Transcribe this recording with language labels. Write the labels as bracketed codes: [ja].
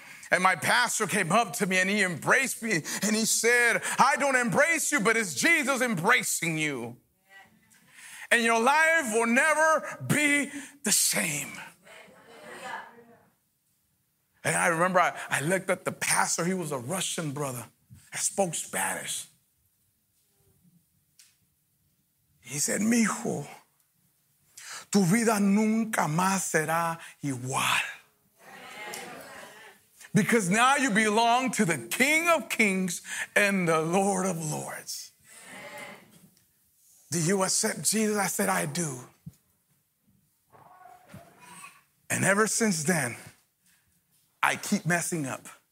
[en] And my pastor came up to me and he embraced me. And he said, I don't embrace you, but it's Jesus embracing you. And your life will never be the same. And I remember I looked at the pastor. He was a Russian brother that spoke Spanish. He said, [es] mijo, tu vida nunca más será igual. [en] Because now you belong to the King of Kings and the Lord of Lords. Do you accept Jesus? I said, I do. And ever since then, I keep messing up.